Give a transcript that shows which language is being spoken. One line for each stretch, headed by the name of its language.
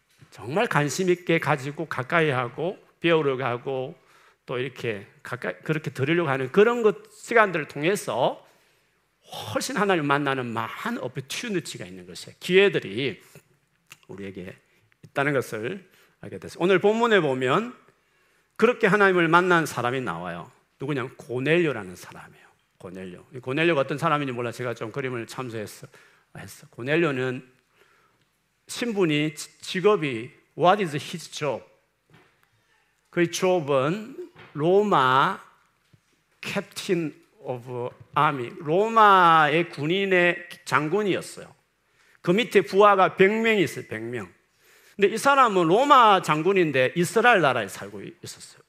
Korean: 정말 관심 있게 가지고 가까이 하고 배우려고 하고 또 이렇게 가까이 그렇게 들으려고 하는 그런 것 시간들을 통해서 훨씬 하나님을 만나는 많은 opportunity가 있는 것이에요. 기회들이 우리에게 있다는 것을 알게 됐어요. 오늘 본문에 보면 그렇게 하나님을 만난 사람이 나와요. 누구냐? 고넬료라는 사람이에요. 고넬료. 고넬료가 어떤 사람인지 몰라 제가 좀 그림을 참조했어. 고넬료는 신분이 직업이
English: What is his job?
Korean: 그의 job은 로마
English: 캡틴 오브 아미
Korean: 로마의 군인의 장군이었어요. 그 밑에 부하가 100명이 있어요. 100명. 근데 이 사람은 로마 장군인데 이스라엘 나라에 살고 있었어요.